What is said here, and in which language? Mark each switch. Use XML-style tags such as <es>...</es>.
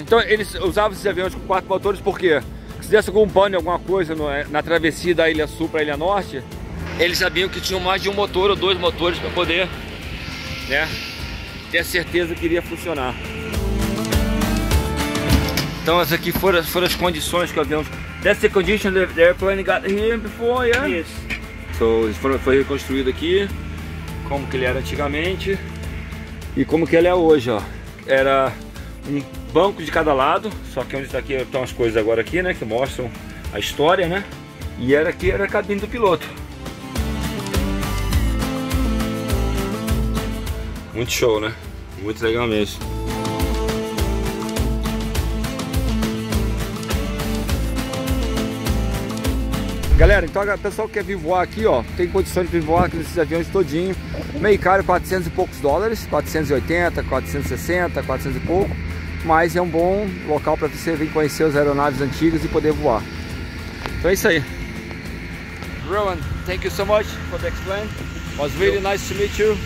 <pt>Então, eles usavam esses aviões com quatro motores por quê? Se desse algum pane, alguma coisa na travessia da Ilha Sul para a Ilha Norte, eles sabiam que tinham mais de um motor ou dois motores para poder, né, ter certeza que iria funcionar. Então, essas aqui foram as condições que o avião...</pt> <en>That's the condition that the airplane got here before, yeah? Yes.</en> <pt>Então, foi reconstruído aqui, como que ele era antigamente e como que ele é hoje, ó. Era um banco de cada lado, só que onde está aqui estão as coisas agora aqui, né, que mostram a história, né? E era aqui, era a cabine do piloto. Muito show, né? Muito legal mesmo. Galera, então o pessoal que quer vir voar aqui, ó, tem condição de vir voar aqui nesses aviões todinho. Meio caro, 400 e poucos dólares, 480, 460, 400 e pouco. Mas é um bom local para você vir conhecer as aeronaves antigas e poder voar. Então é isso aí.</pt> <en>Rowan, thank you so much for the explain. It was really nice to meet you.</en>